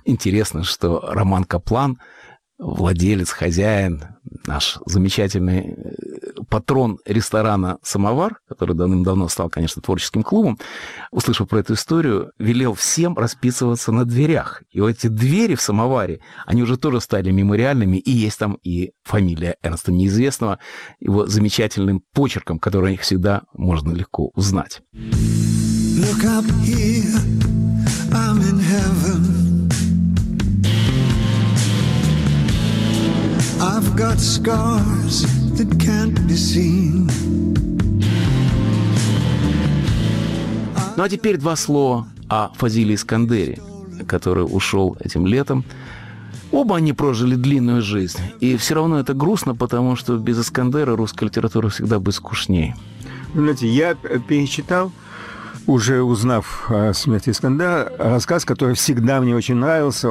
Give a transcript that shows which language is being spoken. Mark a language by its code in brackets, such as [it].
[ru] Интересно, что Роман Каплан, владелец, хозяин, наш замечательный патрон ресторана «Самовар», который давным-давно стал, конечно, творческим клубом, услышав про эту историю, велел всем расписываться на дверях. И вот эти двери в «Самоваре», они уже тоже стали мемориальными, и есть там и фамилия Эрнста Неизвестного, его замечательным почерком, который всегда можно легко узнать. [en] Look up here, I'm in heaven. I've got scars that can't be seen. [ru] Ну а теперь два слова о Фазиле Искандере, который ушел этим летом. Оба они прожили длинную жизнь. И все равно это грустно, потому что без Искандера русская литература всегда бы скучнее. Знаете, я перечитал, уже узнав о смерти Искандера, рассказ, который всегда мне очень нравился.